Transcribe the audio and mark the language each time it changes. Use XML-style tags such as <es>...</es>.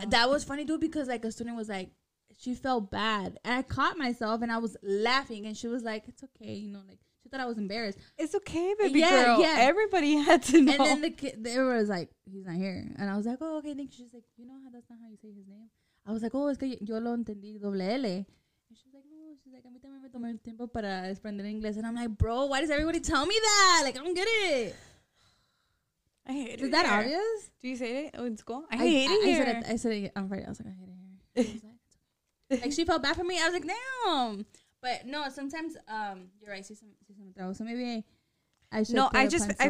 <en>But that was funny, too, because like a student was like, she felt bad. And I caught myself and I was laughing. And she was like, it's okay. You know, like, she thought I was embarrassed. It's okay, baby girl. Yeah, everybody had to know. And then the kid, they were like, he's not here. And I was like, oh, okay, thank you. She's like, you know how that's not how you say his name? I was like, oh,</en> <es>es que yo lo entendí, doble L. Like, a mí también me tomé el tiempo para aprender inglés.</es> <en>And I'm like, bro, why does everybody tell me that? Like, I don't get it. I hate it. Is that obvious? Do you say it in school? I hate it here. I said it on Friday. I was like, I hate it here. Like, she felt bad for me. I was like, damn. But no, sometimes, you're right. So maybe I</en>